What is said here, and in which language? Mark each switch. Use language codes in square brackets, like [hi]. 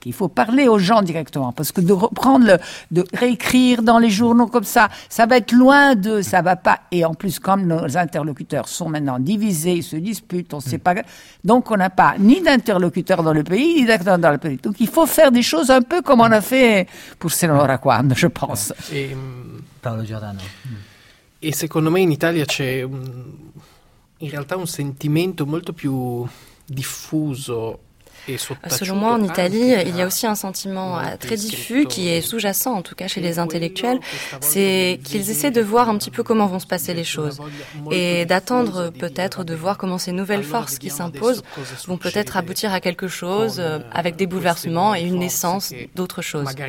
[fr] Il faut parler aux gens directement, parce que de reprendre, de réécrire dans les journaux comme ça, ça va être loin d'eux, ça va pas. Et en plus, comme nos interlocuteurs sont maintenant divisés, ils se disputent, on sait pas. Donc on n'a pas ni d'interlocuteurs dans le pays, ni d'acteurs dans le pays. Donc il faut faire des choses un peu comme on a fait pour Senora Quan, je pense. Et Paolo Giordano. [it] Et secondo me, in Italia c'è in realtà un sentimento molto più diffuso. [fr] Selon moi, en Italie, il y a aussi un sentiment très diffus qui est sous-jacent, en tout cas chez les intellectuels, c'est qu'ils essaient de voir un petit peu comment vont se passer les choses et d'attendre peut-être de voir comment ces nouvelles forces qui s'imposent vont peut-être aboutir à quelque chose avec des bouleversements et une naissance d'autre chose.